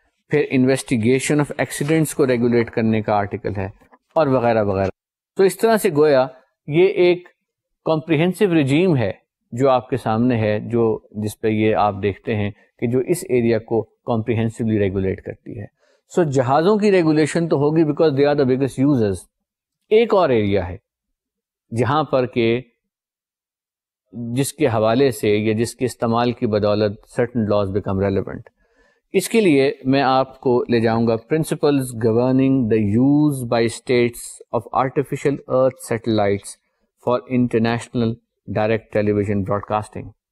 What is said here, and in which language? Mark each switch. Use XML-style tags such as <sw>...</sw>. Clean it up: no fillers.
<ur>پھر investigation of accidents کو regulate کرنے کا آرٹیکل ہے اور وغیرہ وغیرہ. تو اس طرح سے گویا یہ ایک کمپریہنسو رجیم ہے جو آپ کے سامنے ہے, جو جس پہ یہ آپ دیکھتے ہیں کہ جو اس ایریا کو کمپریہنسولی ریگولیٹ کرتی ہے. سو جہازوں کی ریگولیشن تو ہوگی</ur> <en>Because they are the biggest users.</en> <ur>ایک اور ایریا ہے جہاں پر کہ جس کے حوالے سے یا جس کے استعمال کی بدولت</ur> <en>Certain laws become relevant.</en> <ur>اس کے لیے میں آپ کو لے جاؤں گا</ur> <en>Principles governing the use by states of artificial earth satellites for international direct television broadcasting.</en>